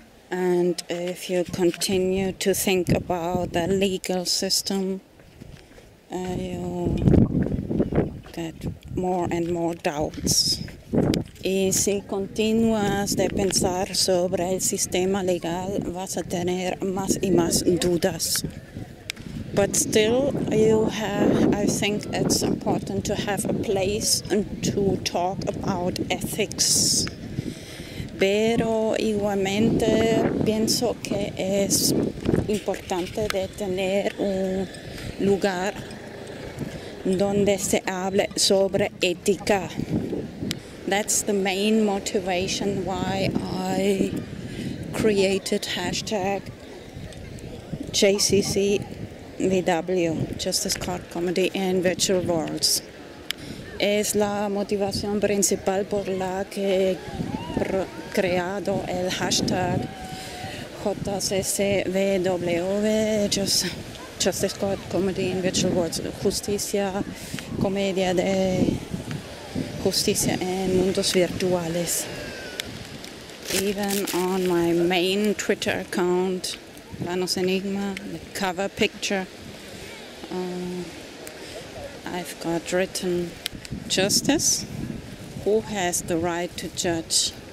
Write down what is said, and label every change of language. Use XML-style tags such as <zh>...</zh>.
<en>And if you continue to think about the legal system, you get more and more doubts.</en> <es>Y si continúas de pensar sobre el sistema legal, vas a tener más y más dudas.</es> <en>But still, I think it's important to have a place to talk about ethics.</en> <es>Pero igualmente pienso que es importante de tener un lugar donde se hable sobre ética.</es> <en>That's the main motivation why I created hashtag JCCVW, Justice Court Comedy in Virtual Worlds.</en> <es>Es la motivación principal por la que creado el hashtag JCCVW, Justice Court Comedy in Virtual Worlds, Justicia, Comedia de Justicia en Mundos Virtuales.</es> <en>Even on my main Twitter account, Vanos Enigma, the cover picture, I've got written, Justice, who has the right to judge?</en>